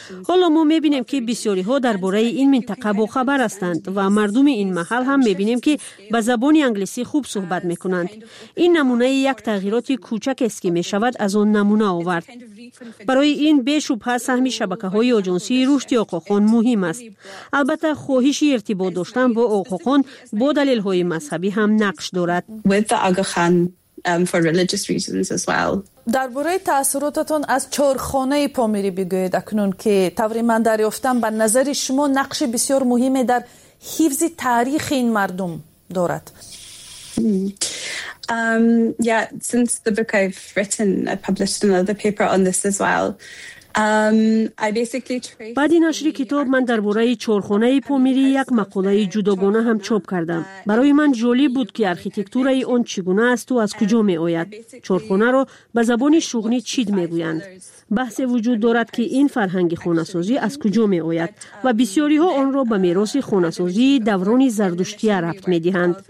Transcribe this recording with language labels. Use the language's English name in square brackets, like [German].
[Persian] حالا ما میبینیم که بسیاری ها درباره این منطقه با خبر هستند و مردم این محل هم میبینیم که به زبان انگلیسی خوب صحبت میکنند. این نمونه یک تغییرات کوچک است که میشود از آن نمونه آورد. برای این به شبهه سهم شبکه های آژانسی رشد آقاخان مهم است. البته خواهش ارتباط داشتن با آقاخان با دلیل های مذهبی هم نقش دارد. [English] For religious reasons as well. [Persian] درباره تاثیراتتان از چهارخانه پامیری بگویید، اکنون که طوری من دریافتم به نظر شما نقش بسیار مهمی در حفظ تاریخ این مردم دارد. [English] Since the book I've written, I published another paper on this as well. [Persian] بعد از نشر کتاب من درباره چهارخانه پامیری یک مقاله جداگانه هم چاپ کردم. برای من جالب بود که آرکیتکتور آن چگونه است و از کجا می آید. چهارخانه را به زبان شغنی چید می گویند. بحث وجود دارد که این فرهنگ خانه‌سازی از کجا می آید و بسیاری ها آن را به میراث خانه‌سازی دوران زردشتیه ربط می دهند.